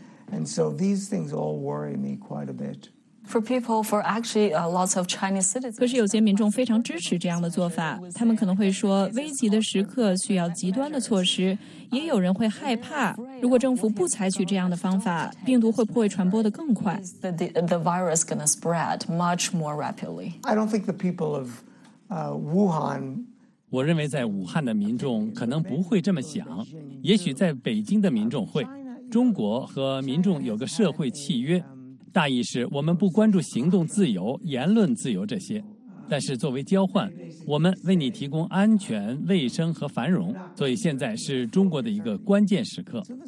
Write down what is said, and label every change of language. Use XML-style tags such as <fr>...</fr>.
<en>And so these things all worry me quite a bit. Lots of Chinese citizens.</en> <zh>可是有些民众非常支持这样的做法，他们可能会说，危急的时刻需要极端的措施。也有人会害怕，如果政府不采取这样的方法，病毒会不会传播得更快？</zh> <en>The virus going to spread much more rapidly. I don't think the people of Wuhan.</en> <zh>我认为在武汉的民众可能不会这么想，也许在北京的民众会。中国和民众有个社会契约，大意是我们不关注行动自由、言论自由这些，但是作为交换，我们为你提供安全、卫生和繁荣，所以现在是中国的一个关键时刻。</zh>